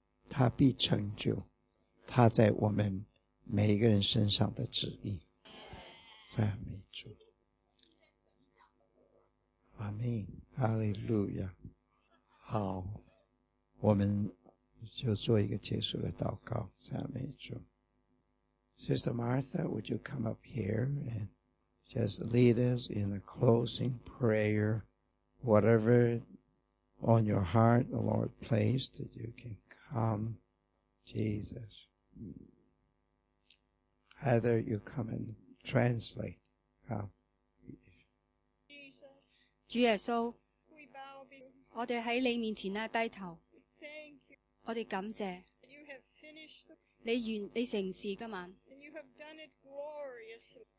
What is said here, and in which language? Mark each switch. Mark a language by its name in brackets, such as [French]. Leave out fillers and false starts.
[Chinese] 他必成就他在我们每一个人身上的旨意。赞美主，阿们，哈利路亚。好，我们就做一个结束的祷告。赞美主。 [English] Sister Martha, would you come up here and just lead us in a closing prayer? Whatever on your heart the Lord placed, that you can come, Jesus. Heather, you come and translate. Come. Jesus. [Chinese] 主耶稣，我们在你面前低头，我们感谢 [English] you have finished the... [Chinese] 你成事今晚 [English] And you have done it gloriously.